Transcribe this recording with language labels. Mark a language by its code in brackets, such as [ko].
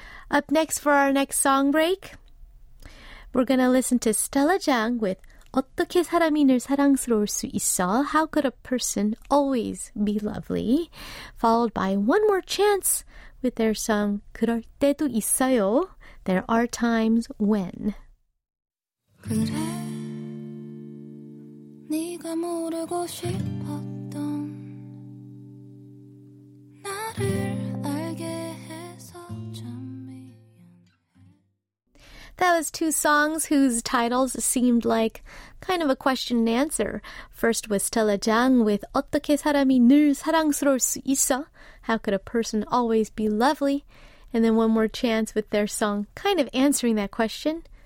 [en] Up next for our next song break, we're going to listen to Stella Jang with [ko] 어떻게 사람이 늘 사랑스러울 수 있어? [en] How could a person always be lovely? Followed by One More Chance with their song [ko] 그럴 때도 있어요. [en] There are times when. [ko] 그래, 네가 모르고 싶었던 나를 알게 해서 참 미안해. [en] That was two songs whose titles seemed like kind of a question and answer. First was Stella Jang with [ko] 어떻게 사람이 늘 사랑스러울 수 있어? [en] How could a person always be lovely? And then One More Chance with their song kind of answering that question.